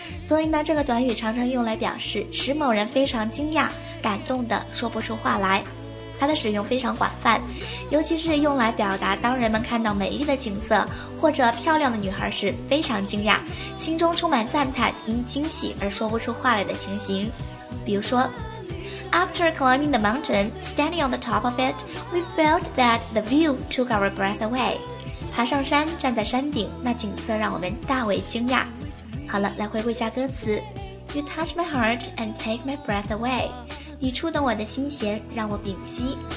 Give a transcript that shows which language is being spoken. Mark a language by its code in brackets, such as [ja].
[zh] 所以呢，这个短语常常用来表示使某人非常惊讶、感动的说不出话来。它的使用非常广泛，尤其是用来表达当人们看到美丽的景色或者漂亮的女孩时非常惊讶，心中充满赞叹，因惊喜而说不出话来的情形。比如说， [en] After climbing the mountain, standing on the top of it, we felt that the view took our breath away. [zh] 爬上山，站在山顶，那景色让我们大为惊讶。好了，来回顾一下歌词。 [en] You touch my heart and take my breath away. [zh] 你触动我的心弦，让我屏息。